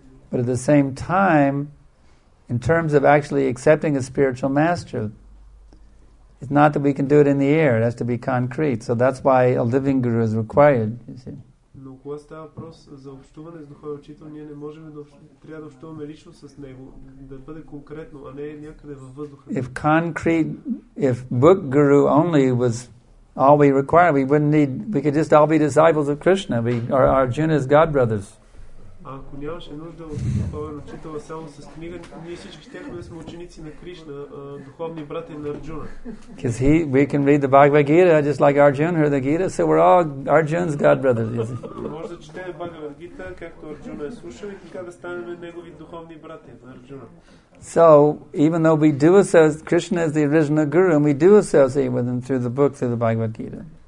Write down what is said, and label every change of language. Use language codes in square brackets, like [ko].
[en] But at the same time, in terms of actually accepting a spiritual master, it's not that we can do it in the air. It has to be concrete. So that's why a living guru is required, you see. [bg] Но когато става въпрос за общуване с духовен учител, ние не можем да трябва да общуваме лично с него, да бъде конкретно, а не някъде във въздуха. [en] If concrete, if book guru only was all we required, we wouldn't need, we could just all be disciples of Krishna, we are Arjuna's god brothers. [bg] Ако нямаше нужда от духовен учител само с книга, ние всички щяхме да сме ученици на Кришна, духовни брати на Арджуна. [en] Because he, we can read the Bhagavad Gita just like Arjuna heard the Gita, so we're all Arjuna's god brothers. [bg] Може да четем Bhagavad Gita, както Арджуна е слушал и така да станем негови духовни брати на Арджуна. [en] So, even though we do associate, Krishna is the original guru, and we do associate with him through the book, through the Bhagavad Gita.